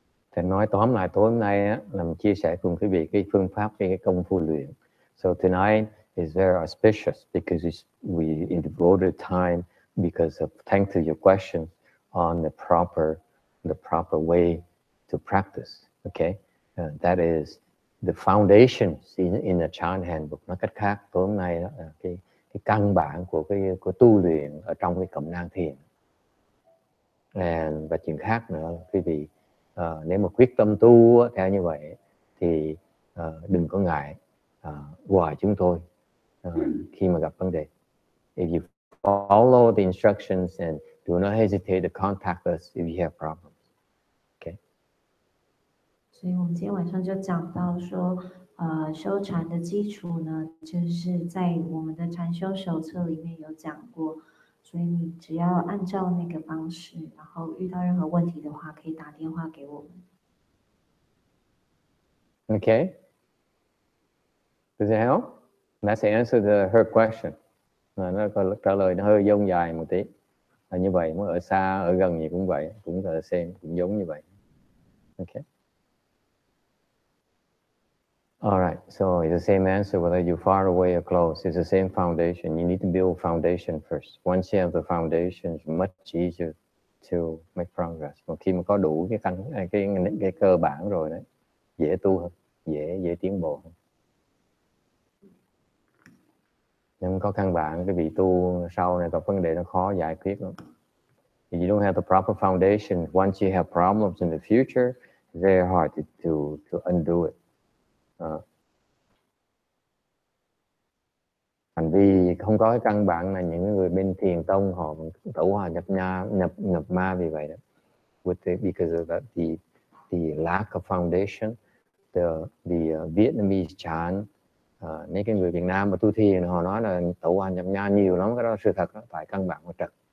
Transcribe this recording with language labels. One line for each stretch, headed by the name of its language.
Vietnamese: thì nói tóm lại tối hôm nay là mình chia sẻ cùng quý vị cái phương pháp về cái công phu luyện.
English: So tonight is very auspicious because we devoted time because of thank to your question on the proper way to practice. Okay, that is the foundations in the Chan handbook.
Vietnamese: Nói cách khác, tối hôm nay cái căn bản của tu luyện ở trong cái cẩm nang thiền. Và chuyện khác nữa, quý vị nếu mà quyết tâm tu theo như vậy thì đừng có ngại gọi chúng tôi khi mà gặp vấn đề.
English: If you follow the instructions and do not hesitate to contact us if you have problems. Okay.
Chinese: 所以我们今天晚上就讲到说 修禅的基础呢，就是在我们的禅修手册里面有讲过，所以你只要按照那个方式，然后遇到任何问题的话，可以打电话给我们。Okay,
English: does it help? That's the answer to her question.
Vietnamese: Nó có trả lời nó hơi dông dài một tí. À, như vậy, muốn ở xa, ở gần gì cũng vậy, cũng là xem cũng giống như vậy.
English: Okay. All right, so it's the same answer, whether you're far away or close, it's the same foundation. You need to build foundation first. Once you have the foundation, it's much easier to make progress.
Vietnamese: Mà khi mà có đủ cái cơ bản rồi đấy, dễ tu hơn, dễ tiến bộ hơn. Nhưng có căn bản, cái vị tu sau này có vấn đề nó khó giải quyết lắm.
English: If you don't have the proper foundation, once you have problems in the future, very hard to undo it.
Vietnamese: Hành vi không có cái căn bản là những người bên thiền tông họ tẩu hòa nhập ma vì vậy đó.
English: With the, because of that, the lack of foundation, the Vietnamese chan,
Vietnamese: mấy cái người Việt Nam mà tu thiền họ nói là tẩu hòa nhập ma nhiều lắm, cái đó là sự thật đó, phải căn bản mà trật.